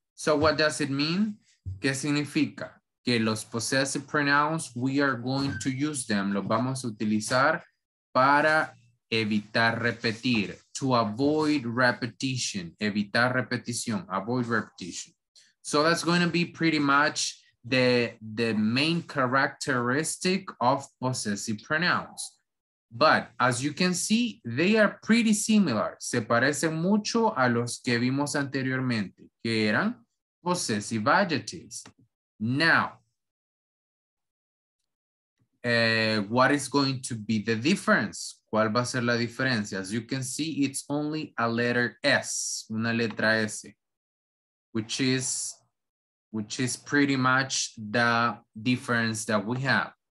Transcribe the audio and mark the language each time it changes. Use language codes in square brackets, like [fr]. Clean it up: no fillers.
[en] So what does it mean? [es] ¿Qué significa? Que los [en] possessive pronouns, we are going to use them, [es] los vamos a utilizar para evitar repetir, [en] to avoid repetition, [es] evitar repetición, [en] avoid repetition. So that's going to be pretty much the main characteristic of possessive pronouns. But as you can see, they are pretty similar. [es] Se parecen mucho a los que vimos anteriormente, que eran possessive adjectives. [en] Now, what is going to be the difference? [es] ¿Cuál va a ser la diferencia? [en] As you can see, it's only a letter S, [es] una letra S, [en] which is pretty much the difference that we have.